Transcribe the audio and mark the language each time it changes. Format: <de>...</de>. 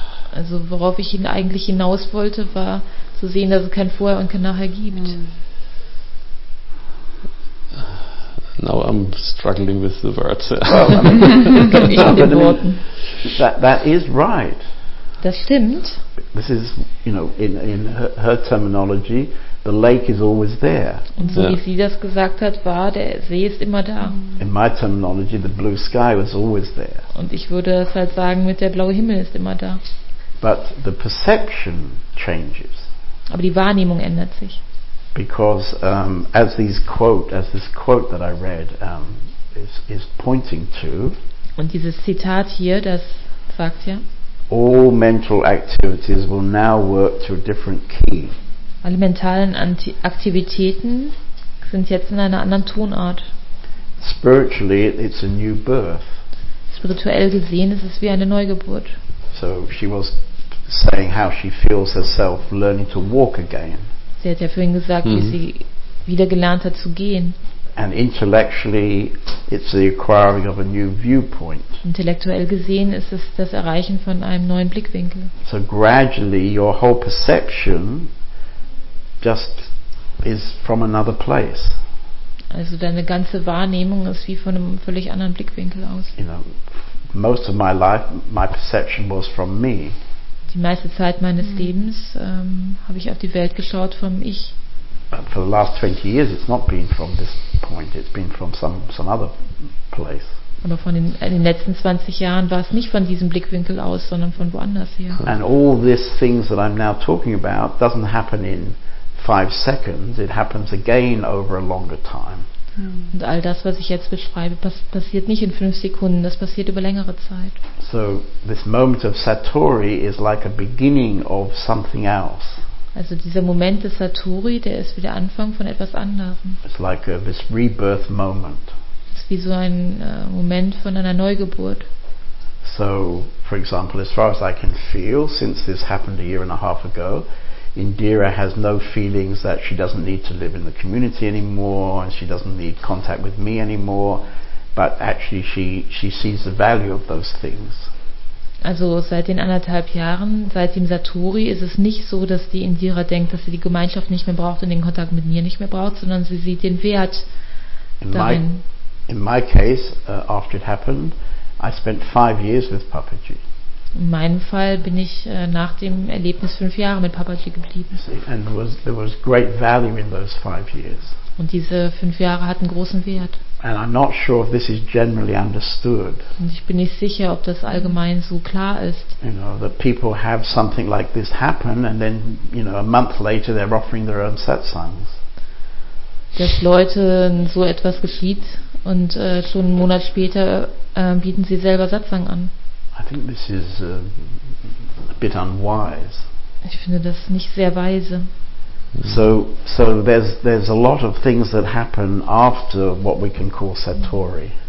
<de>Also worauf ich ihn eigentlich hinaus wollte, war zu sehen, dass es kein Vorher und kein Nachher gibt.</de> <en>Now I'm struggling with the words. That is right.</en> <de>Das stimmt.</de> <en>This is, you know, in her terminology, the lake is always there.</en> <de>Und so wie sie das gesagt hat, war der See ist immer da.</de> <en>In my terminology, the blue sky was always there.</en> <de>Und ich würde es halt sagen, mit der blaue Himmel ist immer da.</de> <en>But the perception changes.</en> <de>Aber die Wahrnehmung ändert sich.</de> <en>Because as this quote that I read is pointing to.</en> <de>Und dieses Zitat hier, das sagt ja.</de> <en>All mental activities will now work to a different key.</en> <de>Alle mentalen Aktivitäten sind jetzt in einer anderen Tonart.</de> <en>Spiritually, it's a new birth.</en> <de>Spirituell gesehen ist es wie eine Neugeburt.</de> <en>So she was saying how she feels herself learning to walk again.</en> <de>Sie hat ja vorhin gesagt, wie sie wieder gelernt hat zu gehen.</de> <en>And intellectually, it's the acquiring of a new viewpoint.</en> <de>Intellektuell gesehen ist es das Erreichen von einem neuen Blickwinkel.</de> <en>So gradually, your whole perception just is from another place.</en> <de>Also deine ganze Wahrnehmung ist wie von einem völlig anderen Blickwinkel aus.</de> <en>You know, most of my life, my perception was from me.</en> <de>Die meiste Zeit meines Lebens habe ich auf die Welt geschaut vom Ich.</de> <en>For the last 20 years, it's not been from this point. It's been from some other place.</en> <de>Aber von in den letzten 20 Jahren war es nicht von diesem Blickwinkel aus, sondern von woanders her.</de> <en>And all these things that I'm now talking about doesn't happen in 5 seconds. It happens again over a longer time.</en> <de>Und all das, was ich jetzt beschreibe, passiert nicht in 5 Sekunden. Das passiert über längere Zeit.</de> <en>So this moment of Satori is like a beginning of something else.</en> <de>Also dieser Moment des Satori, der ist wie der Anfang von etwas anderem.</de> <en>It's like this rebirth moment.</en> <de>Es ist wie so ein Moment von einer Neugeburt.</de> <en>So, for example, as far as I can feel, since this happened a year and a half ago, Indira has no feelings that she doesn't need to live in the community anymore, and she doesn't need contact with me anymore, but actually she sees the value of those things.</en> <de>Also seit den anderthalb Jahren, seit dem Satori, ist es nicht so, dass die Indira denkt, dass sie die Gemeinschaft nicht mehr braucht und den Kontakt mit mir nicht mehr braucht, sondern sie sieht den Wert darin.</de> <en>In my case, after it happened, I spent 5 years with Papaji.</en> <de>In meinem Fall bin ich nach dem Erlebnis 5 Jahre mit Papaji geblieben.</de> <en>And there was great value in those 5 years.</en> <de>Und diese 5 Jahre hatten großen Wert.</de> <en>And I'm not sure if this is generally understood.</en> <de>Und ich bin nicht sicher, ob das allgemein so klar ist.</de> <en>You know, that people have something like this happen and then, you know, a month later they're offering their own satsangs.</en> <de>Dass Leuten so etwas geschieht und schon einen Monat später bieten sie selber Satsang an.</de> <en>I think this is a bit unwise.</en> <de>Ich finde das nicht sehr weise.</de> <en>So there's a lot of things that happen after what we can call Satori.</en>